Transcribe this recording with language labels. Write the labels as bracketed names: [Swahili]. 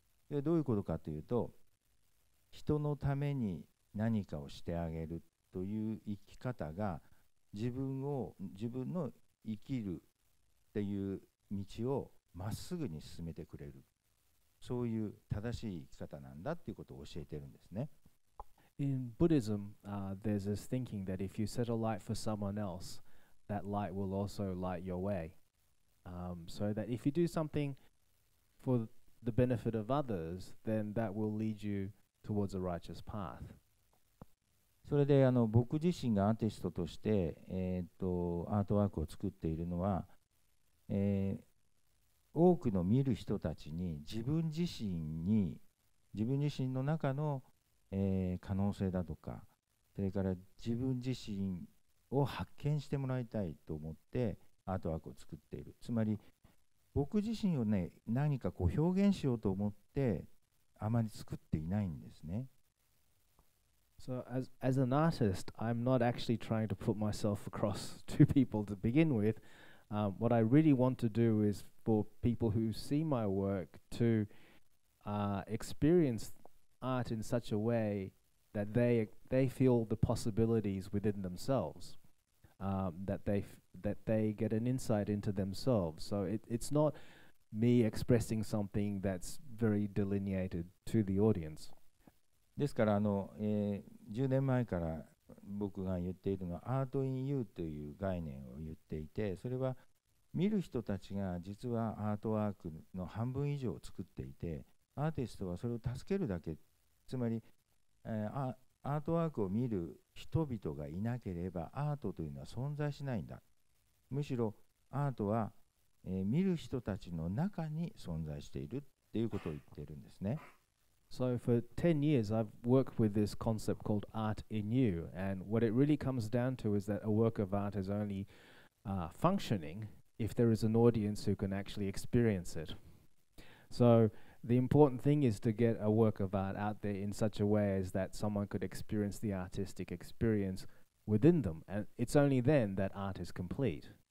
[Japanese] でどういうことかというと、人のために何かをしてあげるという生き方が自分の生きるっていう道をまっすぐに進めてくれる、そういう正しい生き方なんだっていうことを教えてるんですね。 [English] In Buddhism, there's this thinking that if you set a light for someone else, that light will also light your way. So that if you do something for the benefit of others, then that will lead you towards a righteous path. [Japanese] それで僕自身がアーティストとして、アートワークを作っているのは、多くの見る人たちに自分自身の中の、可能性だとか、それから自分自身を発見してもらいたいと思ってアートワークを作っている。つまり僕自身をね、何かこう表現しようと思ってあまり作っていないんですね。 [English] So as an artist, I'm not actually trying to put myself across to people to begin with. What I really want to do is for people who see my work to experience art in such a way that they feel the possibilities within themselves, that they get an insight into themselves. So it's not me expressing something that's very delineated to the audience. [Japanese] ですから10年前から僕が言っているのはアートインユーという概念を言っていて、それは見る人たちが実はアートワークの半分以上を作っていて、アーティストはそれを助けるだけ、つまり、アートワークを見る人々がいなければアートというのは存在しないんだ、むしろアートは見る人たちの中に存在しているっていうことを言ってるんですね。 [English] So for 10 years I've worked with this concept called art in you, and what it really comes down to is that a work of art is only functioning if there is an audience who can actually experience it. So the important thing is to get a work of art out there in such a way as that someone could experience the artistic experience within them, and it's only then that art is complete.